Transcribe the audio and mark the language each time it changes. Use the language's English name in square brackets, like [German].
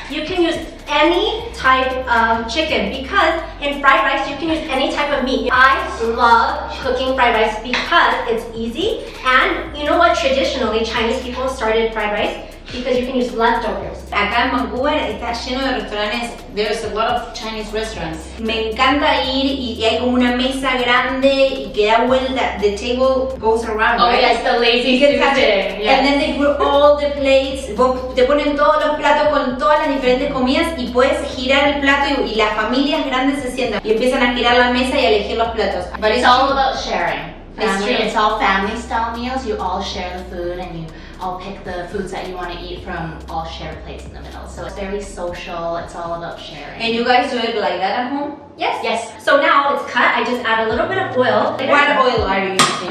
[English] You can use any type of chicken because in fried rice, you can use any type of meat. I love cooking fried rice because it's easy. And you know what? Traditionally, Chinese people started fried rice because you can use leftovers. [Spanish] Acá en Vancouver está lleno de restaurantes. [English] There's a lot of Chinese restaurants. [Spanish] Me encanta ir y hay como una mesa grande y que da vuelta. [English] The table goes around. Oh, right? Yes, the lazy student. Yes. And then they put all the plates. [Spanish] Te ponen todos los platos con todas las diferentes comidas y puedes girar el plato y las familias grandes se sientan y empiezan a girar la mesa y a elegir los platos. [English] But it's all about sharing. It's all family style meals. You all share the food and you all pick the foods that you want to eat from all shared plates in the middle. So it's very social. It's all about sharing. And you guys do it like that at home? Yes. Yes. So now it's cut. I just add a little bit of oil. What oil are you using?